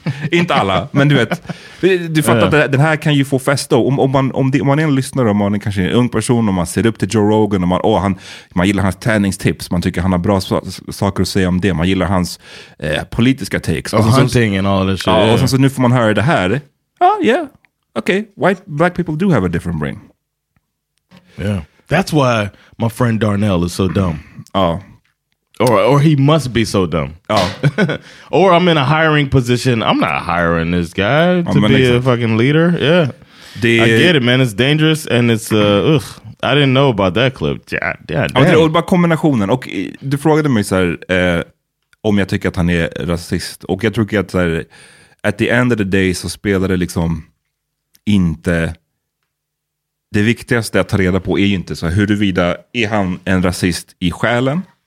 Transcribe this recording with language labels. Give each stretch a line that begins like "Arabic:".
Swedish: Inte alla, men du vet, du fattar att den här kan ju få fäste. Om man är en lyssnare, om man är kanske en ung person och man ser upp till Joe Rogan, och man gillar hans träningstips, man tycker han har bra saker att säga om det, man gillar hans politiska takes
English: och hunting and all this shit.
Swedish: Och sen så nu får man höra det här.
English: Okay, white black people do have a different brain. Yeah, that's why my friend Darnell is so dumb. Oh. Or he must be so dumb. Oh. Or I'm in a hiring position. I'm not hiring this guy to be a fucking leader. Yeah. I get it, man. It's dangerous. And it's, I didn't know about that clip. Yeah,
Swedish: det är bara kombinationen. Och du frågade mig så här, om jag tycker att han är rasist. Och jag tror att så här,
English: at the end of the day
Swedish: så spelar det liksom inte. Det viktigaste att ta reda på är ju inte så här, huruvida är han en rasist i själen?